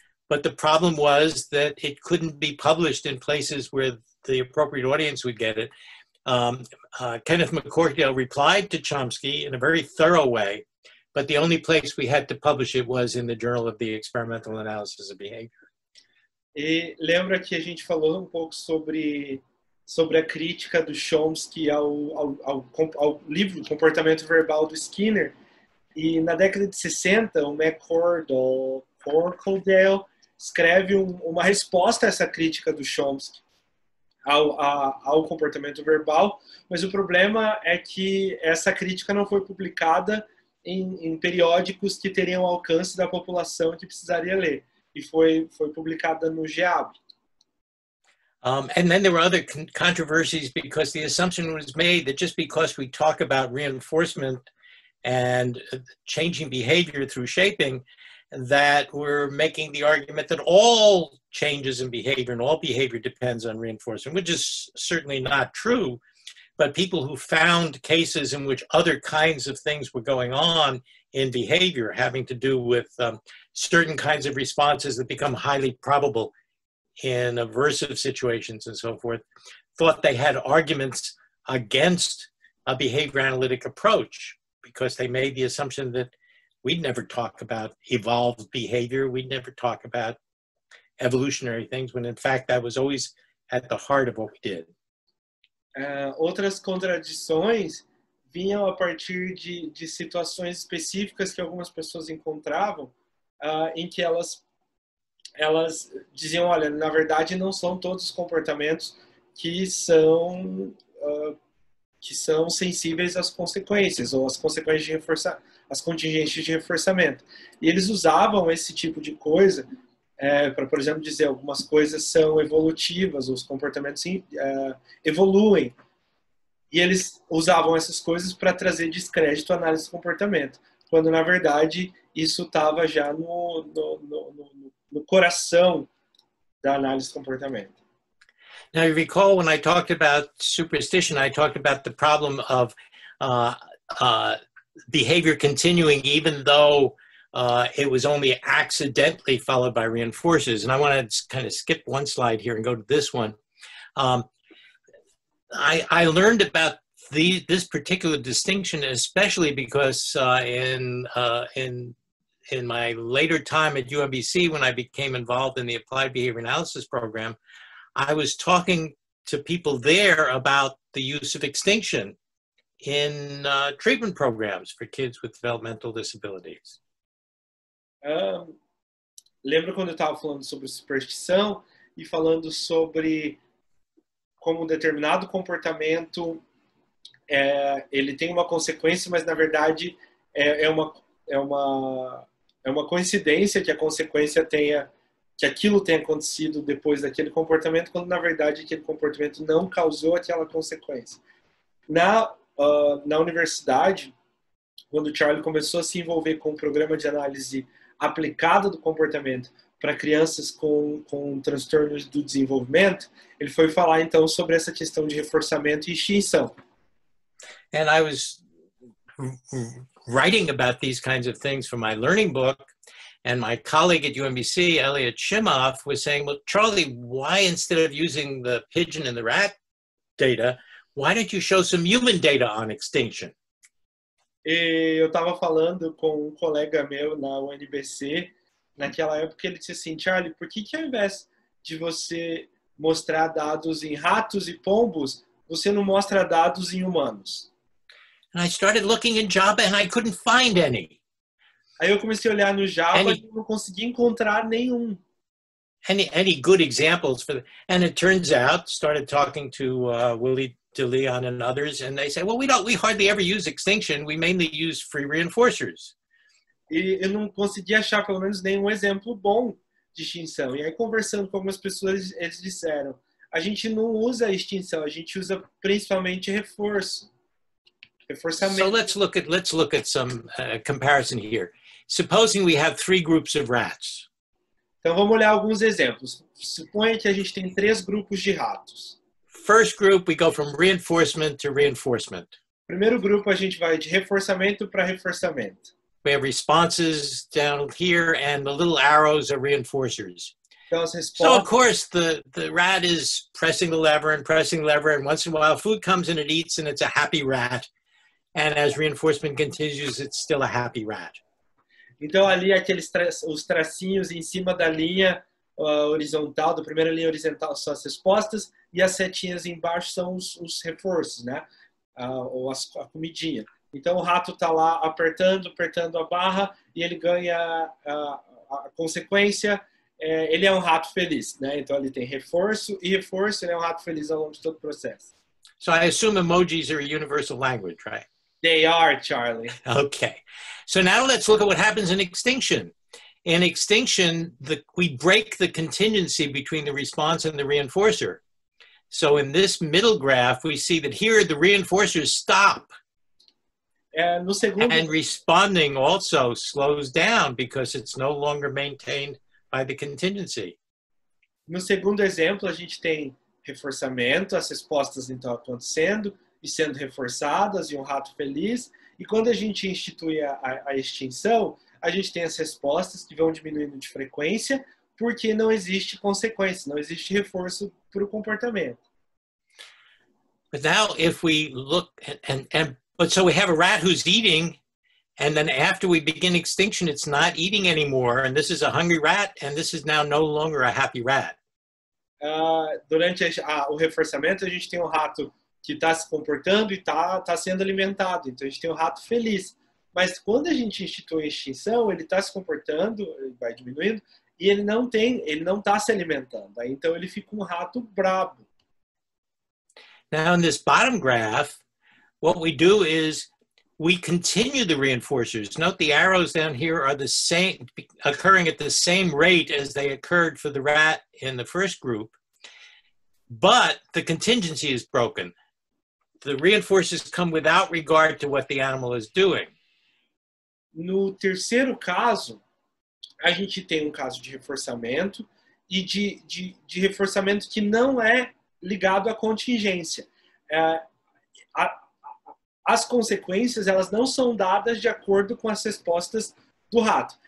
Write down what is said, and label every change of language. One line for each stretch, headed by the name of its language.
English: But the problem was that it couldn't be published in places where the appropriate audience would get it. Kenneth McCorkdale replied to Chomsky in a very thorough way, but the only place we had to publish it was in the Journal of the Experimental Analysis of Behavior.
Portuguese: E lembra que a gente falou um pouco sobre a crítica do Chomsky ao livro Comportamento Verbal do Skinner. E na década de 60, o McCorkdale escreve uma resposta a essa crítica do Chomsky ao comportamento verbal, mas o problema é que essa crítica não foi publicada em periódicos que teriam alcance da população que precisaria ler. e foi publicada no GEAB.
English: And then there were other controversies because the assumption was made that just because we talk about reinforcement and changing behavior through shaping, that we're making the argument that all changes in behavior and all behavior depends on reinforcement, which is certainly not true. But people who found cases in which other kinds of things were going on in behavior having to do with certain kinds of responses that become highly probable in aversive situations and so forth, thought they had arguments against a behavior analytic approach because they made the assumption that we'd never talk about evolved behavior, we'd never talk about evolutionary things, when in fact that was always at the heart of what we did.
Portuguese: Outras contradições vinham a partir de situações específicas que algumas pessoas encontravam, em que elas diziam, olha, na verdade não são todos os comportamentos que são sensíveis às consequências, ou às consequências de reforçar, às contingências de reforçamento. E eles usavam esse tipo de coisa para, por exemplo, dizer algumas coisas são evolutivas, os comportamentos evoluem. E eles usavam essas coisas para trazer descrédito à análise do comportamento, quando, na verdade, isso estava já no coração da análise do comportamento.
English: Now, you recall when I talked about superstition, I talked about the problem of behavior continuing even though it was only accidentally followed by reinforcers. And I want to kind of skip one slide here and go to this one. I learned about this particular distinction, especially because in my later time at UMBC, when I became involved in the Applied Behavior Analysis program, I was talking to people there about the use of extinction in treatment programs for kids with developmental disabilities.
Portuguese: Lembro quando eu estava falando sobre superstição e falando sobre como um determinado comportamento ele tem uma consequência, mas na verdade é uma coincidência que a consequência tenha, que aquilo tenha acontecido depois daquele comportamento, quando na verdade aquele comportamento não causou aquela consequência. Na universidade, quando o Charlie começou a se envolver com o programa de análise aplicada do comportamento para crianças com transtornos do desenvolvimento, ele foi falar então sobre essa questão de reforçamento e extinção.
English: And I was writing about these kinds of things for my learning book, and my colleague at UMBC, Elliot Shimoff, was saying, well, Charlie, why instead of using the pigeon and the rat data, why don't you show some human data on extinction?
Portuguese: E eu estava falando com um colega meu na UNBC, naquela época ele disse assim, Charlie, por que ao invés de você mostrar dados em ratos e pombos, você não mostra dados em humanos?
English: And I started looking in Java and I couldn't find any.
Portuguese: Aí eu comecei a olhar no Java e não consegui encontrar nenhum.
English: Any good examples for and it turns out, started talking to Willie DeLeon and others, and they say, well, we hardly ever use extinction, we mainly use free reinforcers.
Portuguese: E eu não consegui achar pelo menos nenhum exemplo bom de extinção. E aí conversando com algumas pessoas, eles disseram, a gente não usa extinção, a gente usa principalmente reforço.
English: So let's look at some comparison here. Supposing we have three groups of rats.
Portuguese: Então vamos olhar alguns exemplos. Suponha que a gente tem três grupos de ratos.
English: First group, we go from reinforcement to reinforcement.
Portuguese: Primeiro grupo, a gente vai de reforçamento para reforçamento.
English: We have responses down here, and the little arrows are reinforcers. So, of course, the rat is pressing the lever, and once in a while, food comes and it eats, and it's a happy rat. And as reinforcement continues, it's still a happy rat.
Portuguese: Então, ali, aqueles os tracinhos em cima da linha horizontal, da primeira linha horizontal, são as respostas, e as setinhas embaixo são os reforços, né? Ou a comidinha. Então, o rato está lá apertando a barra, e ele ganha a consequência. Ele é um rato feliz, né? Então, ele tem reforço e reforço, ele é um rato feliz ao longo de todo o processo.
English: So, I assume emojis are a universal language, right? They are, Charlie. Okay. So, now let's look at what happens in extinction. In extinction, we break the contingency between the response and the reinforcer. So in this middle graph, we see that here the reinforcers stop. And responding also slows down because it's no longer maintained by the contingency.
Portuguese: No segundo exemplo, a gente tem reforçamento, as respostas então acontecendo e sendo reforçadas, e um rato feliz. E quando a gente institui a extinção, a gente tem as respostas que vão diminuindo de frequência porque não existe consequência, não existe reforço para o comportamento.
English: But now if we look but so we have a rat who's eating, and then after we begin extinction, it's not eating anymore, and this is a hungry rat, and this is now no longer a happy rat.
Portuguese: Durante o reforçamento, a gente tem um rato que está se comportando e está sendo alimentado, então a gente tem um rato feliz. Mas quando a gente institui a extinção, ele está se comportando, ele vai diminuindo, e ele não está se alimentando, aí, então ele fica um rato brabo.
English: Now in this bottom graph, what we do is we continue the reinforcers. Note the arrows down here are the same, occurring at the same rate as they occurred for the rat in the first group, but the contingency is broken. The reinforcers come without regard to what the animal is doing.
Portuguese: No terceiro caso, a gente tem um caso de reforçamento e de reforçamento que não é ligado à contingência. As consequências, elas não são dadas de acordo com as respostas do rato.